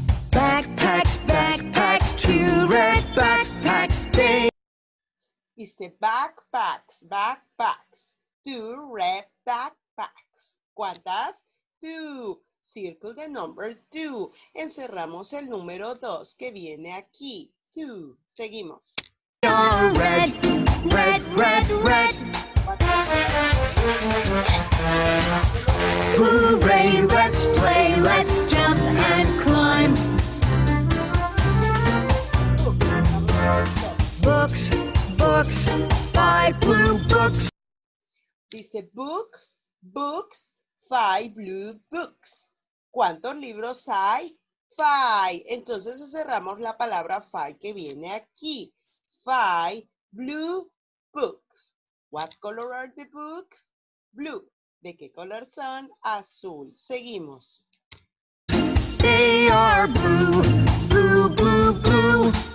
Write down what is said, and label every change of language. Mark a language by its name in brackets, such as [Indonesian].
[English] Backpacks, backpacks, two red backpacks. Dice backpacks, backpacks, two red backpacks. ¿Cuántas? Two. Circle the number two. [Spanish] Encerramos el número dos que viene aquí. Two. Seguimos. [English] No, red, red, red, red. Hooray, let's play, let's jump and climb. Books. Books, five blue books. Dice books, books, five blue books. [Spanish] ¿Cuántos libros hay? Five. Entonces cerramos la palabra five que viene aquí. [English] Five blue books. What color are the books? [Spanish] Blue. ¿De qué color son? Azul. Seguimos. [English] They are blue, blue, blue, blue.